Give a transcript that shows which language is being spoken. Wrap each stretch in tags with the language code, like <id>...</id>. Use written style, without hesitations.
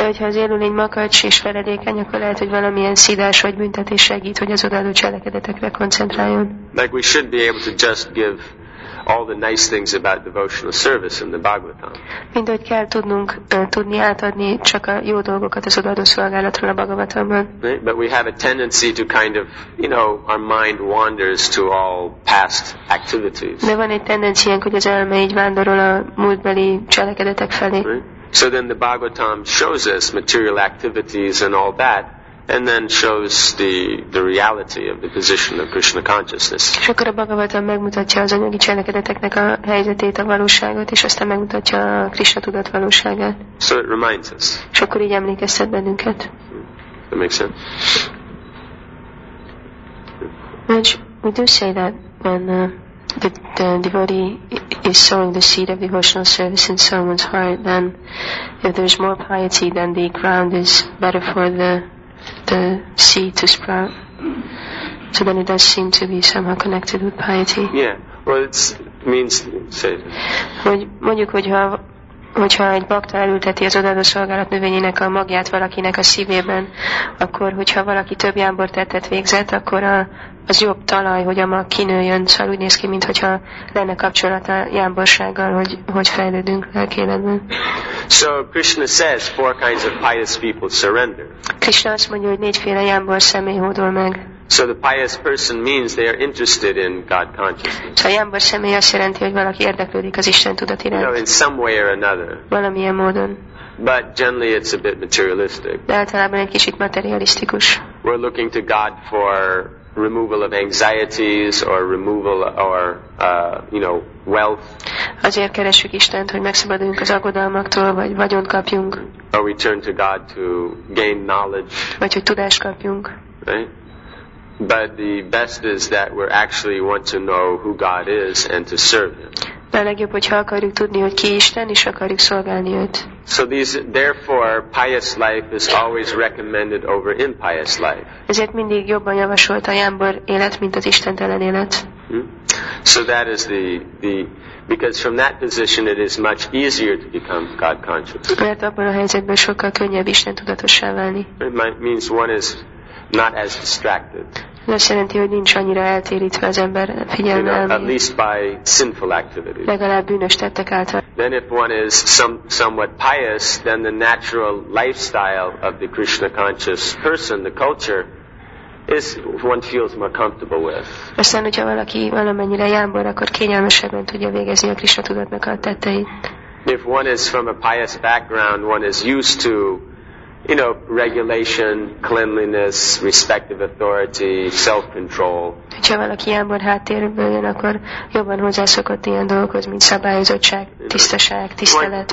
<hu>De hogyha az élőlény makacs és feledékeny, akkor lehet, hogy valamilyen szidás vagy büntetés segít, hogy az odaadó cselekedetekre koncentráljon.</hu> <en>Like we should be able to just give all the nice things about devotional service in the Bhagavatam.</en> <hu>Mindegy, kell tudnunk tudni átadni csak a jó dolgokat az odaadó szolgálatról a Bhagavatamban.</hu> <en>But we have a tendency to kind of, our mind wanders to all past activities.</en> <hu>De van egy tendenciánk, hogy az elme így vándorol a múltbeli cselekedetek felé.</hu> <en>So then the Bhagavatam shows us material activities and all that, and then shows the reality of the position of Krishna consciousness.</en> <hu>És akkor a Bhagavatam megmutatja az anyagi cselekedeteknek a helyzetét, a valóságot, és aztán megmutatja a Krishna tudat valóságát.</hu> <en>So it reminds us.</en> <hu>És akkor így emlékeztet bennünket.</hu> <en>That makes sense. Which we do say that when the devotee is sowing the seed of devotional service in someone's heart, then if there's more piety, then the ground is better for the seed to sprout. So then it does seem to be somehow connected with piety. Yeah, well, it means, say it.</en> <hu>Mondjuk, hogyha egy bakta elülteti az odaadó szolgálat növényének a magját valakinek a szívében, akkor hogyha valaki több jámbor tettet végzett, akkor az jobb talaj, hogy a mag kinőjön, szóval úgy néz ki, mintha lenne kapcsolata jámborsággal, hogy fejlődünk lelkéletben.</hu> <en>So Krishna says four kinds of pious people surrender.</en> <hu>Krishna azt mondja, hogy négyféle jámbor személy hódol meg.</hu> <en>So the pious person means they are interested in God consciousness.</en> <hu>Szóval jámbor személy azt jelenti, hogy valaki érdeklődik az Isten tudat iránt.</hu> <en>In some way or another.</en> <hu>Valamilyen módon.</hu> <en>But generally it's a bit materialistic.</en> <hu>De általában egy kicsit materialisztikus.</hu> <en>We're looking to God for removal of anxieties or wealth.</en> <hu>Azért keressük Istent, hogy megszabaduljunk az aggodalmaktól, vagy vagyont kapjunk.</hu> <en>Or we turn to God to gain knowledge.</en> <hu>Vagy hogy tudást kapjunk.</hu> <en>Right? But the best is that we actually want to know who God is and to serve Him.</en> <hu>De a legjobb, hogyha akarjuk tudni, hogy ki Isten, és akarjuk szolgálni őt.</hu> <en>So therefore, pious life is always recommended over impious life.</en> <hu>Ezért mindig jobban javasolt a jámbor élet, mint az istentelen élet.</hu> <en>So that is the because from that position it is much easier to become God conscious.</en> <hu>Mert abban a helyzetben sokkal könnyebb Isten tudatossá válni.</hu> <en>It means one is not as distracted.</en> <hu>Azt jelenti, hogy nincs annyira eltérítve az ember figyelme.</hu> <en>At least by sinful activities.</en> <hu>Legalább bűnös tettek által.</hu> <en>Then if one is somewhat pious, then the natural lifestyle of the Krishna conscious person, the culture, is one feels more comfortable with.</en> <hu>Aztán, hogyha valaki valamennyire jámbor, akkor kényelmesebben tudja végezni a Krisna tudatnak a tetteit.</hu> <en>If one is from a pious background, one is used to, you know, regulation, cleanliness, respective authority, self-control.</en> <hu>Ha valaki jámbor háttérből jön, akkor jobban hozzászokott ilyen dolgokhoz, mint szabályozottság, tisztaság, tisztelet.</hu>